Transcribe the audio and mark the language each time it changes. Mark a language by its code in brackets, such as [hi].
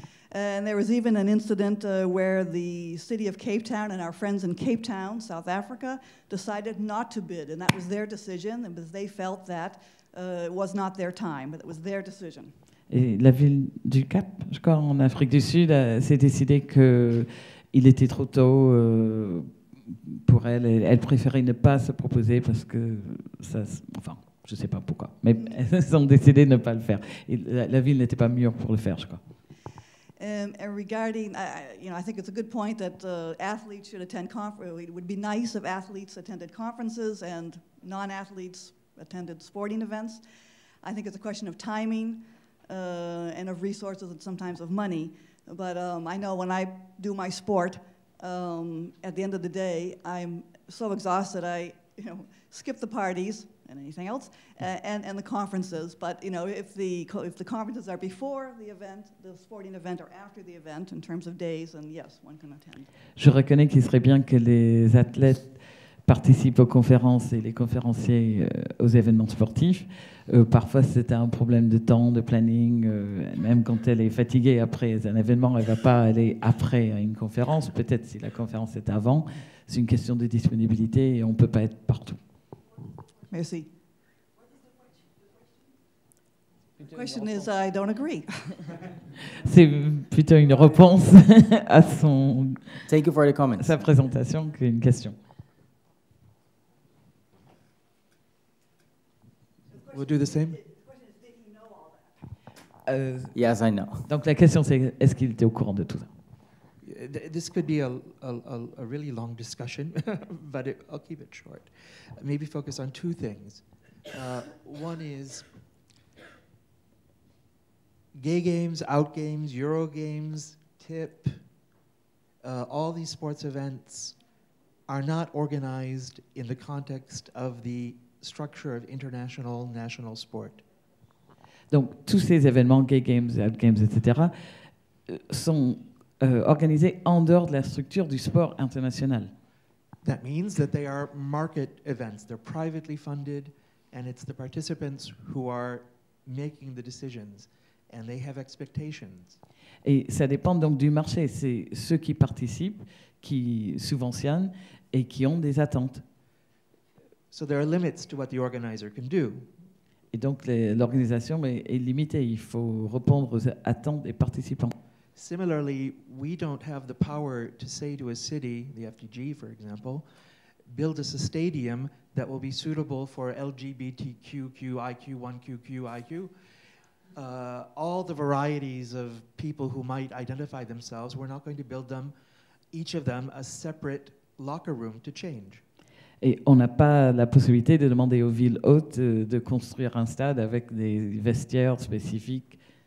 [en] And there was even an incident where the city of Cape Town and our friends in Cape Town, South Africa, decided not to bid, and that was their decision, because they felt that it was not their time, but it was their decision. [fr] Et la ville du Cap, je crois, en Afrique du Sud, s'est décidé que il était trop tôt pour elle. Elle préférait ne pas se proposer parce que ça, enfin, je sais pas pourquoi, mais elles ont décidé de ne pas le faire. Et la ville n'était pas mûre pour le faire, je crois. [en] And regarding, you know, I think it's a good point that athletes should attend conferences. It would be nice if athletes attended conferences and non-athletes attended sporting events. I think it's a question of timing and of resources and sometimes of money. But I know when I do my sport, at the end of the day, I'm so exhausted I, you know, skip the parties and anything else, and the conferences. But you know, if the conferences are before the event, the sporting event, or after the event, in terms of days, then yes, one can attend. [fr] Je reconnais qu'il serait bien que les athlètes participent aux conférences et les conférenciers aux événements sportifs. Parfois, c'est un problème de temps, de planning. Même quand elle est fatiguée après un événement, elle ne va pas aller après à une conférence. Peut-être si la conférence est avant, c'est une question de disponibilité et on ne peut pas être partout. Merci. [en] The question is, I don't agree. [fr] C'est plutôt une réponse à son... [en] Thank you for the comments. [fr] Sa présentation qu'une question. [en] We'll do the same. Yes, I know. [fr] Donc la question c'est est-ce qu'il était au courant de tout ça? [en] This could be a really long discussion, but I'll keep it short. Maybe focus on two things. One is gay games, out games, Euro games, tip. All these sports events are not organized in the context of the structure of international national sport. [fr] Donc tous ces événements, gay games, out games, etc., sont organisés en dehors de la structure du sport international. [en] That means that they are market events. They're privately funded, and it's the participants who are making the decisions, and they have expectations. [fr] Et ça dépend donc du marché. C'est ceux qui participent, qui subventionnent et qui ont des attentes. [en] So there are limits to what the organizer can do. [fr] Et donc l'organisation est limitée. Il faut répondre aux attentes des participants. [en] Similarly, we don't have the power to say to a city, the FDG for example, build us a stadium that will be suitable for LGBTQQIQ1QQIQ, all the varieties of people who might identify themselves. We're not going to build them, each of them, a separate locker room to change. [fr] Et on n'a pas la possibilité de demander aux villes hautes de construire un stade avec des vestiaires spécifiques.